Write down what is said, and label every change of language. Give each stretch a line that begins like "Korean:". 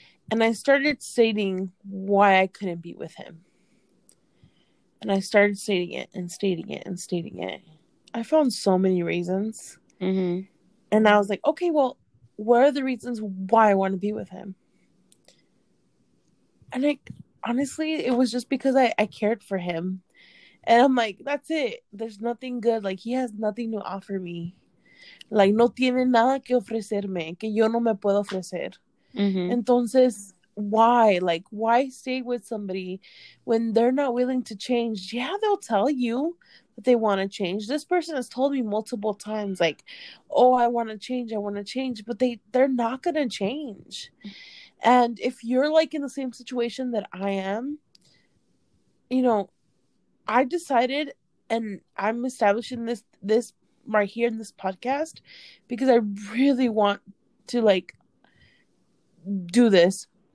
English: And I started stating why I couldn't be with him. And I started stating it and stating it and stating it. I found so many reasons. Mm-hmm. And I was like, okay, well, what are the reasons why I want to be with him? And like, honestly, it was just because I cared for him. And I'm like, that's it. There's nothing good. Like, he has nothing to offer me.
Spanish: Like, no tiene nada que ofrecerme, que yo no me puedo ofrecer.
English: Mm-hmm.
Spanish: Entonces,
English: why? Like, why stay with somebody when they're not willing to change? Yeah, they'll tell you that they want to change. This person has told me multiple times, like, oh, I want to change, I want to change. But they're not going to change. And if you're, like, in the same situation that I am, you know, I decided, and I'm establishing this right here in this podcast, because I really want to, like, do this.